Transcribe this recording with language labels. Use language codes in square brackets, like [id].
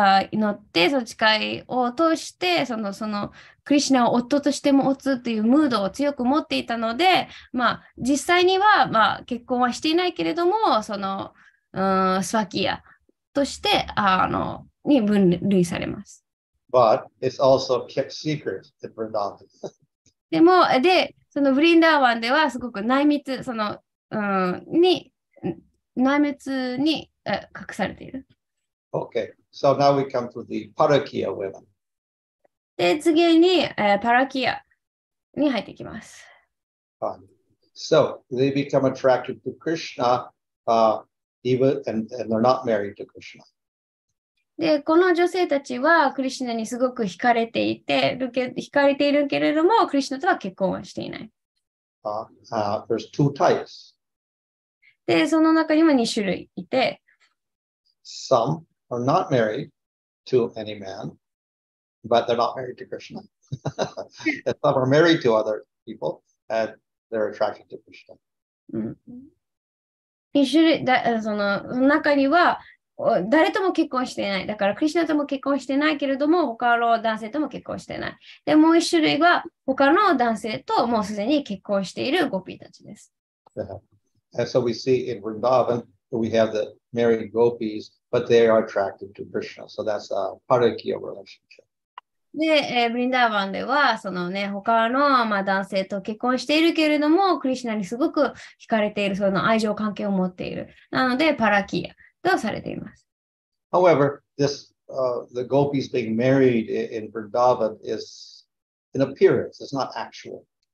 [ja] 祈って、その誓いを通して、そのクリシナを夫としても持つというムードを強く持っていたので、まあ、実際には、まあ、結婚はしていないけれども、その、スワキアとして、に分類されます。 [en] But it's also kept secret in Vrindavan. [ja] でも、で、そのブリンダーワンではすごく内密、その、に、内密に隠されている。 [en] Okay, so now we come to the Parakya women. [ja] で、次に、パラキアに入ってきます。 [en] So, they become attracted to Krishna, and they're not married to Krishna. [ja] で、この女性たちはクリシナにすごく惹かれていて、惹かれているけれども、クリシナとは結婚はしていない。 [en] There's two types. [ja] で、その中にも2種類いて、 [en] Some are not married to any man, but they're not married to Krishna. Some are married to other people, and they're attracted to Krishna. [ja] 一種類だ、その中には誰とも結婚していない。だからクリシナとも結婚してないけれども、他の男性とも結婚してない。で、もう一種類は他の男性ともうすでに結婚しているゴピーたちです。 [en] Yeah. And so we see in Vrindavan, we have the married gopis, but they are attracted to Krishna. So that's a parakya relationship. [ja] で、ブリンダーバンでは、そのね、他の、まあ、男性と結婚しているけれども、クリシナにすごく惹かれている、その愛情関係を持っている。なので、パラキアとされています。 [en] However, this, the gopis being married in Vrindavan is an appearance, it's not actual.